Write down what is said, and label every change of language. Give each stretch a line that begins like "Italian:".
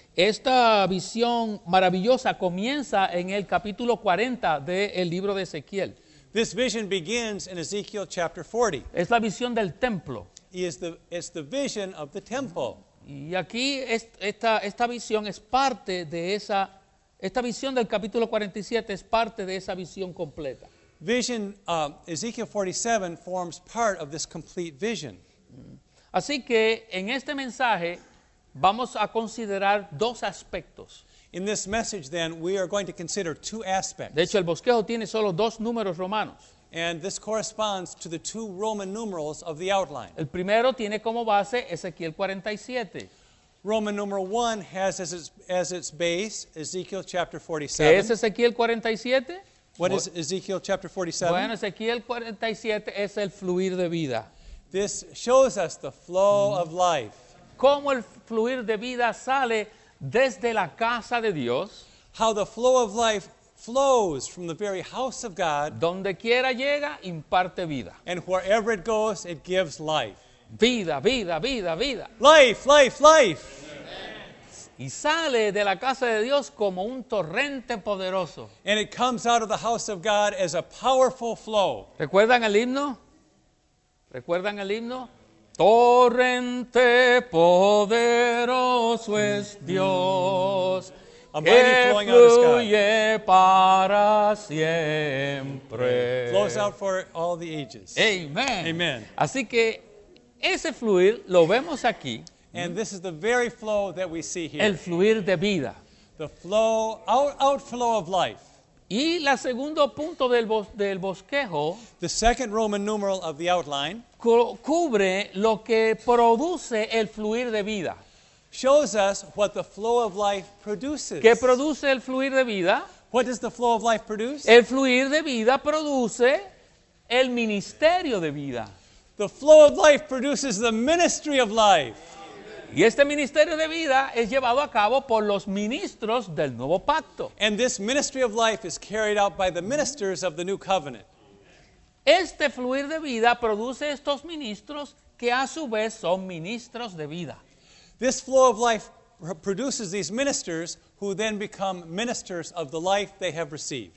Spanish: Esta visión maravillosa comienza en el capítulo 40 del libro de Ezequiel.
English: This vision begins in Ezekiel chapter 40.
Spanish: Es la visión del templo.
English: It's the vision of the temple.
Spanish: Y aquí esta visión es parte de esa, esta visión del capítulo 47 es parte de esa visión completa.
English: Vision, Ezekiel 47 forms part of this complete vision.
Spanish: Así que en este mensaje vamos a considerar dos aspectos.
English: In this message, then, we are going to consider two aspects.
Spanish: De hecho, el bosquejo tiene solo dos números romanos.
English: And this corresponds to the two Roman numerals of the outline.
Spanish: El primero tiene como base Ezequiel 47.
English: Roman numeral 1 has as its base Ezekiel chapter 47.
Spanish: ¿Qué es Ezequiel 47?
English: What is Ezekiel chapter 47?
Spanish: Bueno, Ezequiel 47 es el fluir de vida.
English: This shows us the flow of life.
Spanish: Cómo el fluir de vida sale desde la casa de Dios.
English: How the flow of life flows from the very house of God.
Spanish: Donde quiera llega, imparte vida.
English: And wherever it goes, it gives life.
Spanish: Vida, vida, vida, vida.
English: Life, life, life.
Spanish: Y sale de la casa de Dios como un torrente poderoso.
English: And it comes out of the house of God as a powerful flow.
Spanish: ¿Recuerdan el himno? ¿Recuerdan el himno? Torrente poderoso es Dios, que fluye para siempre.
English: Flows out for all the ages. Amen. Amen.
Spanish: Así que ese fluir lo vemos aquí.
English: And this is the very flow that we see here.
Spanish: El fluir de vida.
English: The flow, outflow of life.
Spanish: Y la segundo punto del bosquejo.
English: The second Roman numeral of the outline.
Spanish: Cubre lo que produce el fluir de vida.
English: Shows us what the flow of life produces.
Spanish: ¿Qué produce el fluir de vida?
English: What does the flow of life produce?
Spanish: El fluir de vida produce el ministerio de vida.
English: The flow of life produces the ministry of life.
Spanish: Y este ministerio de vida es llevado a cabo por los ministros del nuevo pacto.
English: And this ministry of life is carried out by the ministers of the new covenant.
Spanish: Este fluir de vida produce estos ministros que a su vez son ministros de vida.
English: This flow of life produces these ministers who then become ministers of the life they have received.